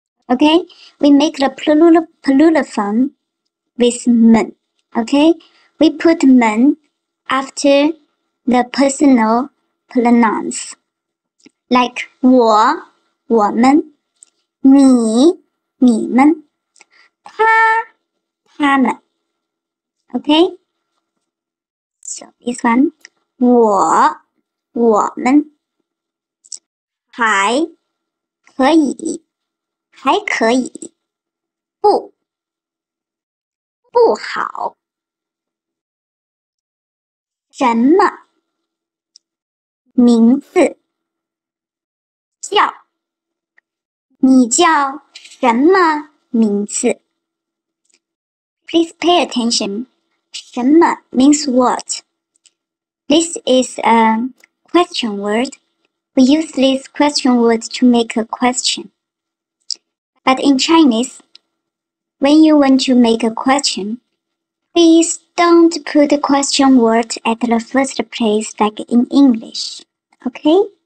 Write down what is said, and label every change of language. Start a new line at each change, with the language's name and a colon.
English: Okay, we make the plural form with men. Okay, we put men after the personal pronouns, like
Chinese: 我, 我们, 你, 你们, 他, 他们.
English: Okay, so this one,
Chinese: 我, 我们, 还, 可以, 还可以, 不, 不好, 什么, 名字, 叫, 你叫什么名字?
English: Please pay attention. 什么 means what? This is a question word. We use this question word to make a question. But in Chinese, when you want to make a question, please don't put the question word at the first place like in English. Okay?